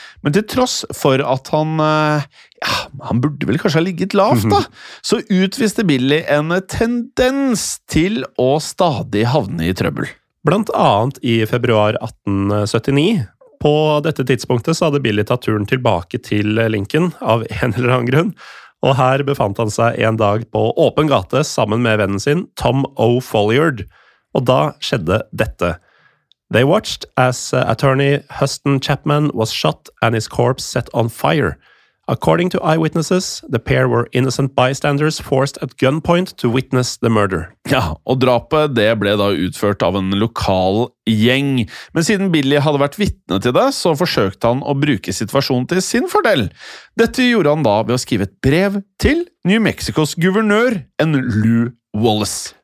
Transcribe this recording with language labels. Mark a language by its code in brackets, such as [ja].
[no] Men til tross for at han, han burde vel kanskje ha ligget lavt da, så utviste Billy en tendens til å stadig havne I trøbbel. Blant annet I februar 1879. På dette tidspunktet så hadde Billy tatt turen tilbake til Lincoln av en eller annen grunn, og her befant han seg en dag på åpen gate sammen med vennen sin, Tom O. Folliard. Og da skjedde dette. [en] They watched as attorney Huston Chapman was shot and his corpse set on fire. According to eyewitnesses, the pair were innocent bystanders forced at gunpoint to witness the murder. [no] Ja, og drapet det ble da utført av en lokal gjeng. Men siden Billy hadde vært vitne til det, så forsøkte han å bruke situasjonen til sin fordel. Dette gjorde han da ved å skrive et brev til New Mexicos guvernør, en Lou Wallace.